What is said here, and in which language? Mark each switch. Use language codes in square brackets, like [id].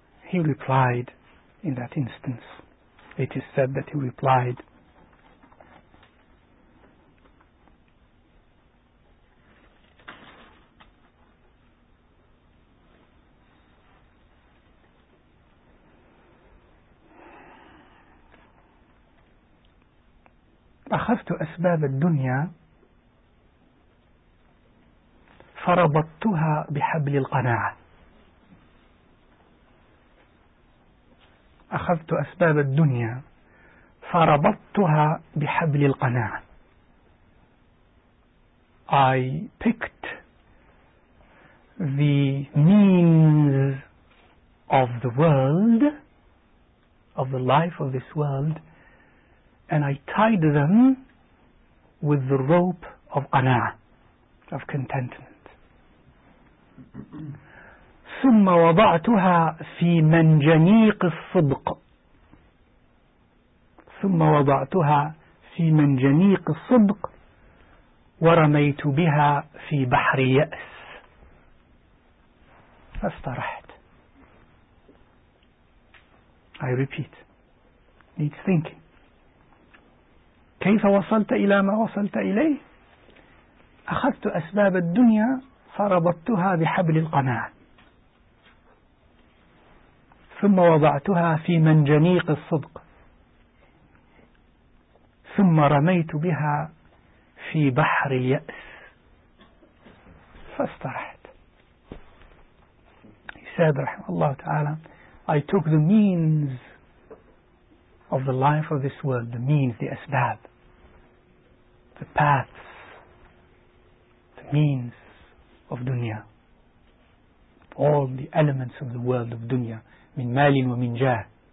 [en] He replied in that instance. It is said that he replied, [ar] أخذت أسباب الدنيا فربطتها بحبل القناعة. أخذت أسباب الدنيا فربطتها بحبل القناعة. [en] I picked the means of the world, of the life of this world, and I tied them with the rope of qana'ah, of contentment. [ar] ثم وضعتها في منجنيق الصدق. ثم وضعتها نفسي من جنيق الصدق ورميت بها في بحر اليأس فاسترحت. [en] I repeat, needs thinking. [ar] كيف وصلت إلى ما وصلت إليه؟ أخذت أسباب الدنيا فربطتها بحبل القناعة ثم وضعتها في منجنيق الصدق ثم رميت بها في بحر اليأس فاسترحت. [en] He said [ar] رحمه الله تعالى, [en] I took the means of the life of this world, the means, the asbab, the paths, the means of dunya, all the elements of the world of dunya, [ar] min malin wa min jah,